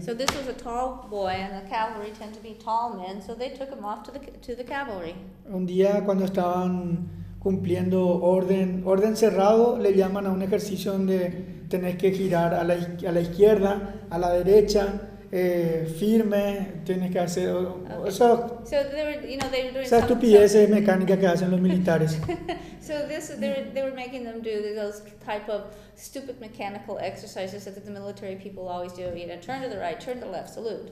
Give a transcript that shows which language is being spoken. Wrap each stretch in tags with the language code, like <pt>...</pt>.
<en>So this was a tall boy, and the cavalry tend to be tall men, so they took him off to the cavalry.</en> <es>Un día cuando estaban cumpliendo orden cerrado, le llaman a un ejercicio donde tenés que girar a la izquierda, a la derecha, firme, tienes que hacer okay. Eso.</es> <en>So they were, you know, they were doing</en> <es>esa estupidez es mecánica que hacen los militares.</es> <en>So this, they were making them do those type of stupid mechanical exercises that the military people always do. You know, turn to the right, turn to the left, salute.</en>